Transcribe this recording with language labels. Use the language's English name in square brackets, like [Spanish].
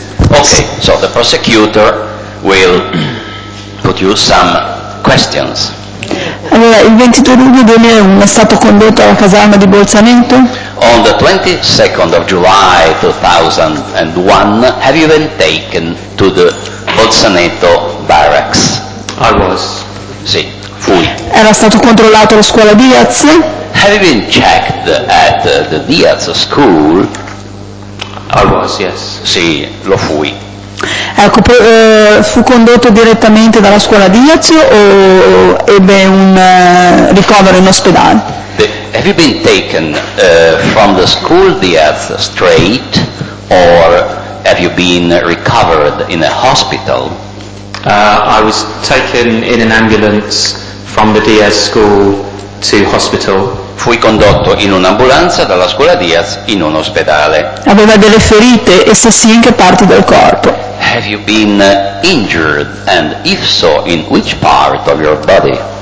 [English] Okay, so the prosecutor will put you some questions. [Italian] Allora, il 22 luglio 2001 è stato condotto alla caserma di Bolzaneto? [English] On the 22nd of July 2001, have you been taken to the Bolzaneto barracks? I was. [Italian] Sì, fui. Era stato controllato la scuola Diaz? [English] Have you been checked at the Diaz school? I was, yes. [Italian] Sì, lo fui. Ecco, fu condotto direttamente dalla scuola Diaz o ebbe un ricovero in ospedale? [English] Have you been taken from the school Diaz straight or have you been recovered in a hospital? I was taken in an ambulance from the Diaz school to hospital. [Italian] Fui condotto in un'ambulanza dalla scuola Diaz in un ospedale. Aveva delle ferite e se sì in che parti del corpo? [English] Have you been injured, and if so, in which part of your body?